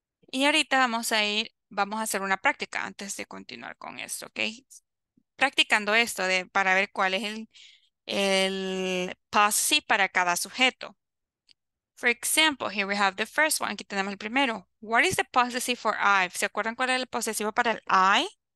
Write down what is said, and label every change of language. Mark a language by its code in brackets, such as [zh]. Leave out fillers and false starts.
[es] Y ahorita vamos a hacer una práctica antes de continuar con esto, ok. Practicando esto para ver cuál es el possessive para cada sujeto. [en] For example, here we have the first one. [es] Aquí tenemos el primero. [en] What is the possessive for I? [es] ¿Se acuerdan cuál es el posesivo para el I?